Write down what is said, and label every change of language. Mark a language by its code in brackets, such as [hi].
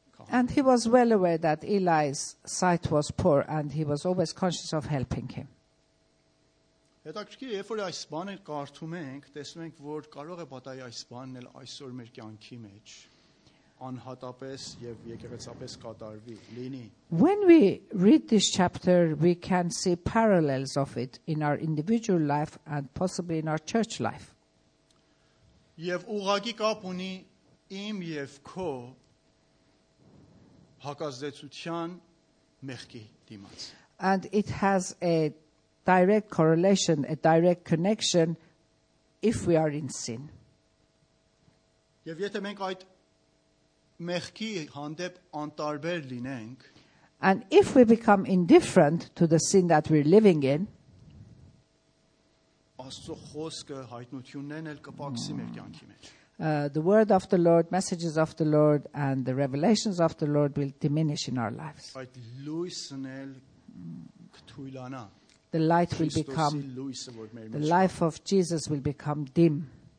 [en] And he was well aware that Eli's sight was poor and he was always conscious of helping him. [hy] Հետաքրքիր է, երբ որ այս բանը կարդում ենք, տեսնում ենք, որ կարող է պատահի այս բանն էլ այսօր մեր կյանքի մեջ անհատապես եւ եկեղեցապես կատարվի, լինի. [en] When we read this chapter, we can see parallels of it in our individual life and possibly in our church life. [hy] Եվ ուղղակի կապ ունի իմ եւ քո հակազդեցության մեղքի դիմաց. [en] And it has a direct correlation, a direct connection if we are in sin. [hy] Եվ եթե մենք այդ մեղքի հանդեպ անտարբեր լինենք, [en] and if we become indifferent to the sin that we're living in, [hy] Աստծո խոսքը հայտնություններն էլ կպակսի մեր կյանքի մեջ. [en] The word of the Lord, messages of the Lord and the revelations of the Lord will diminish in our lives. [hy] Այդ լույսն էլ կթույլանա. [en] The light will become, the life of Jesus will become dim.